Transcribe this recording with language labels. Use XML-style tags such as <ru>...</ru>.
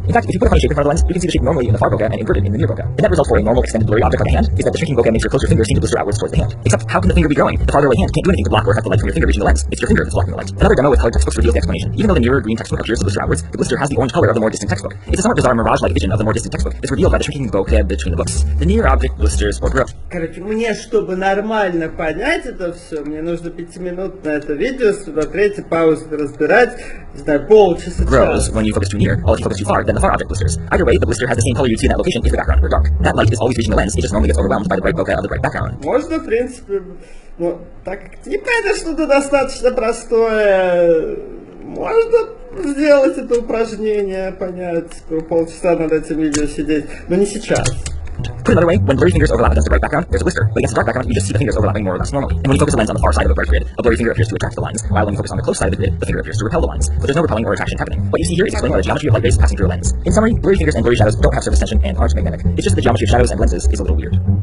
<en>In fact, if you put a funny shape in front of the lens, you can see the shape normally in the far bokeh and inverted in the near bokeh. The net result for a normal extended blurry object on the hand is that the shrinking bokeh makes your closer finger seem to blister outwards towards the hand. Except, how can the finger be growing? The farther away hand can't do anything to block or hide the light from your finger reaching the lens. It's your finger that's blocking the light. Another demo with colored textbooks reveals the explanation. Even though the nearer green textbook appears to blister outwards, the blister has the orange color of the more distant textbook. It's a somewhat bizarre mirage-like vision of the more distant textbook. It's revealed by the shrinking bokeh between the books. The near object blisters or grows.</en> <ru>Короче, мне чтобы нормально понять это все, мне нужно 5 минут на это видео смотреть и паузу разбирать, знаю, полчаса.</ru> <en>Grows when you focus too near, or if you focus too far, then the far object blisters. Either way, the blister has the same color you'd see in that location if the background were dark. That light is always reaching the lens, it just normally gets overwhelmed by the bright bokeh of the bright background.</en> <ru>Можно, в принципе, но так как типа это что-то достаточно простое, можно сделать это упражнение, понять, что полчаса над этим видео сидеть, но не сейчас.</ru> <en>Put another way, when blurry fingers overlap against the bright background, there's a blister. But against the dark background, you just see the fingers overlapping more or less normally. And when you focus the lens on the far side of a bright grid, a blurry finger appears to attract the lines, while when you focus on the close side of the grid, the finger appears to repel the lines. But there's no repelling or attraction happening. What you see here is explained by the geometry of light rays passing through a lens. In summary, blurry fingers and blurry shadows don't have surface tension and aren't magnetic. It's just that the geometry of shadows and lenses is a little weird.</en>